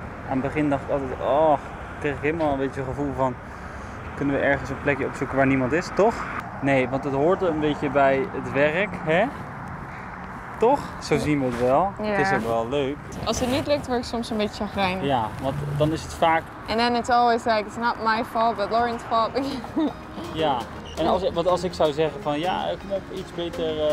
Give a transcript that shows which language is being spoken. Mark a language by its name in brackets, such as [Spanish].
[Dutch] Aan het begin dacht ik altijd, oh, kreeg ik helemaal een beetje het gevoel van, kunnen we ergens een plekje opzoeken waar niemand is, toch? Nee, want het hoort een beetje bij het werk, hè? Toch? Zo zien we het wel. Ja. Het is ook wel leuk. Als het niet lukt, word ik soms een beetje chagrijnig. Ja, want dan is het vaak... [English] And then it's always like, it's not my fault, but Lauren's fault. [Dutch] Ja, en als, want als ik zou zeggen van, ja, ik moet iets beter